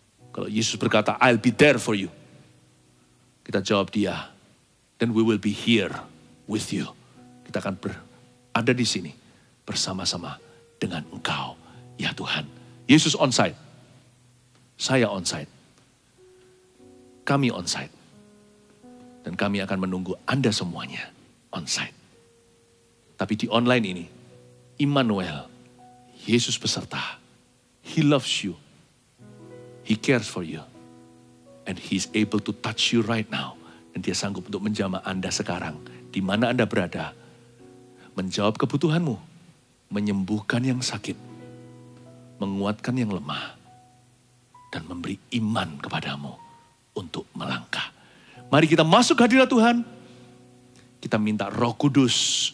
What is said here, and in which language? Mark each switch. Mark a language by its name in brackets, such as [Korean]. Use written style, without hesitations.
[Indonesian] Kalau Yesus berkata, [English] I'll be there for you. [Indonesian] Kita jawab dia. [English] Then we will be here with you. [Indonesian] Kita akan ada di sini bersama-sama dengan engkau, ya Tuhan. Yesus on site. Saya on site. Kami on site. Dan kami akan menunggu Anda semuanya on site. Tapi di online ini, Immanuel, Yesus beserta. [English] He loves you. He cares for you. And he's able to touch you right now. [Indonesian] Dan dia sanggup untuk menjamah Anda sekarang. Di mana Anda berada. Menjawab kebutuhanmu. Menyembuhkan yang sakit. Menguatkan yang lemah. Dan memberi iman kepadamu. Untuk melangkah. Mari kita masuk hadirat Tuhan. Kita minta Roh Kudus.